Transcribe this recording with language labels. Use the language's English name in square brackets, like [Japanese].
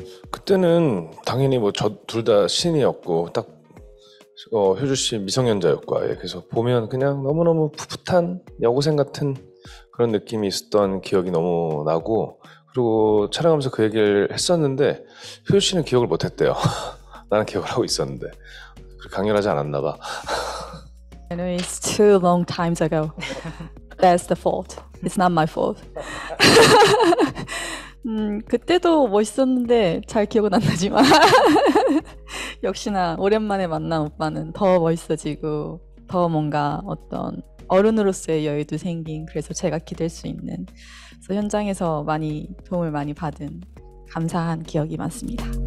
[Korean] 그때는 당연히 뭐저둘다 신이었고 딱 효주 씨 미성년자였고 그래서 보면 그냥 너무너무 풋풋한 여고생 같은 그런 느낌이 있었던 기억이 너무 나고 그리고 촬영하면서 그 얘기를 했었는데 효주 씨는 기억을 못 했대요. 나는 기억을 하고 있었는데 강렬하지 않았나 봐. [English] Anyway, it's too long times ago. That's the fault. It's not my fault. [Korean] 그때도 멋있었는데 잘 기억은 안 나지만 역시나 오랜만에 만난 오빠는 더 멋있어지고 더 뭔가 어떤 어른으로서의 여유도 생긴 그래서 제가 기댈 수 있는 그래서 현장에서 많이 도움을 많이 받은 감사한 기억이 많습니다.